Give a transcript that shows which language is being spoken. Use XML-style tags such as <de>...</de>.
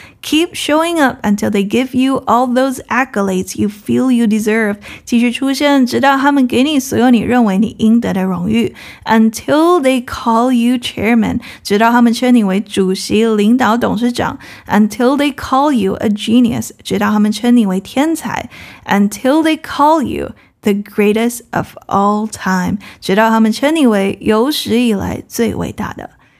<en>Keep showing up until they give you all those accolades you feel you deserve.</en> <zh>继续出现，直到他们给你所有你认为你应得的荣誉。</zh> <en>Until they call you chairman.</en> <zh>直到他们称你为主席、领导、董事长。</zh> <en>Until they call you a genius.</en> <zh>直到他们称你为天才。</zh> <en>Until they call you the greatest of all time.</en> <zh>直到他们称你为有史以来最伟大的。</zh>